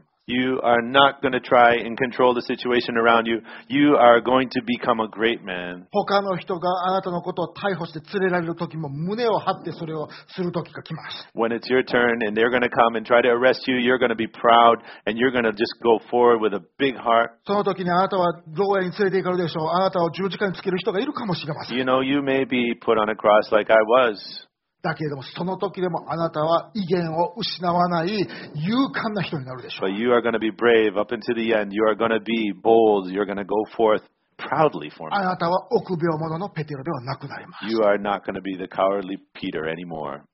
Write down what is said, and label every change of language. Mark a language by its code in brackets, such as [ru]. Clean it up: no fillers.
[en] You are not going to try and control the situation around you. You are going to become a great man. [ja] 他の人があなたのことを逮捕して連れられる時も胸を張ってそれをする時が来ます。 [en] When it's your turn and they're going to come and try to arrest you, you're going to be proud and you're going to just go forward with a big heart. [ja] その時にあなたは牢屋に連れて行かれるでしょう。あなたを十字架につける人がいるかもしれません。 [en] You know, you may be put on a cross like I was. [ja] だけれどもその時でもあなたは威厳を失わない勇敢な人になるでしょう。 [en] But you are going to be brave up until the end. You are going to be bold. You're going to go forth proudly for me. [ja] あなたは臆病者のペテロではなくなります。 [en] You are not going to be the cowardly Peter anymore.